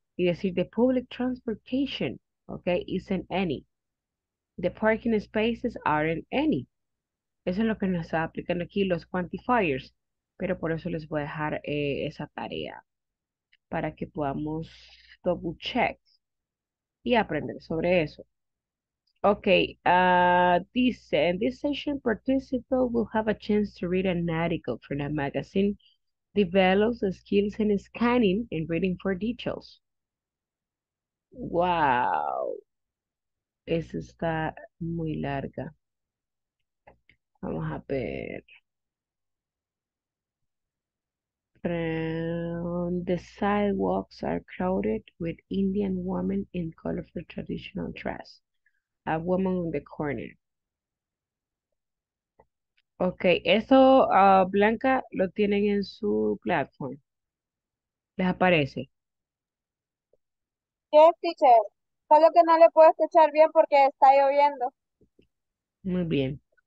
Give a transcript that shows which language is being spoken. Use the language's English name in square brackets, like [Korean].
[English] Y decir the public transportation. Okay, isn't any. The parking spaces aren't any. [Spanish] Eso es lo que nos está aplicando aquí los quantifiers, pero por eso les voy a dejar esa tarea para que podamos [English] double check [Spanish] y aprender sobre eso. Okay, dice, [English] in this session, participants will have a chance to read an article from a magazine, develops the skills in scanning and reading for details. [Spanish] Wow, esa está muy larga. Vamos a ver. [English] The sidewalks are crowded with Indian women in colorful traditional dress. A woman on the corner. [Spanish] Ok, eso, Blanca, lo tienen en su plataforma. Les aparece. [English] Yes, teacher. [Spanish] Solo que no le puedo escuchar bien porque está lloviendo. Muy bien.